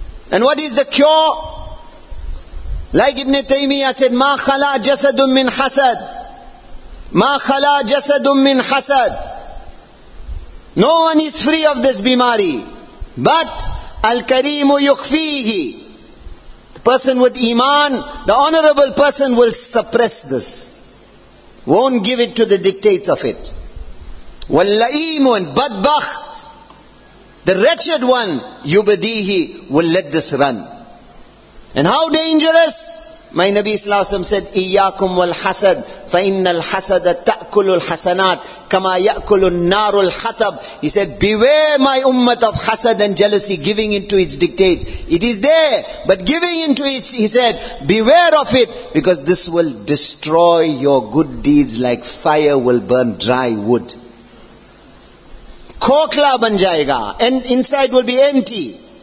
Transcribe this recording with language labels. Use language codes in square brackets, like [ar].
[en] And what is the cure? Like Ibn Taymiyyah said, [ar] ma khala jasadun min hasad. مَا خَلَى جَسَدٌ مِّنْ حَسَدٌ. [en] No one is free of this bimari. But [ar] الْكَرِيمُ يُخْفِيهِ. [en] The person with iman, the honorable person will suppress this. Won't give it to the dictates of it. [ar] وَاللَّئِيمُ بَدْبَخْتُ. [en] The wretched one, [ar] يُبَدِيهِ, [en] will let this run. And how dangerous? My Nabi Sallallahu Alaihi Wasallam said, [ar] إِيَّاكُمْ وَالْحَسَدْ فَإِنَّ الْحَسَدَ تَأْكُلُ الْحَسَنَاتِ كَمَا يَأْكُلُ النَّارُ الْحَطَبِ. [en] He said, beware my ummah of hasad and jealousy, giving into its dictates. It is there, but giving into it, he said, beware of it, because this will destroy your good deeds like fire will burn dry wood. [ur] Khokhla ban jayega, [en] and inside will be empty.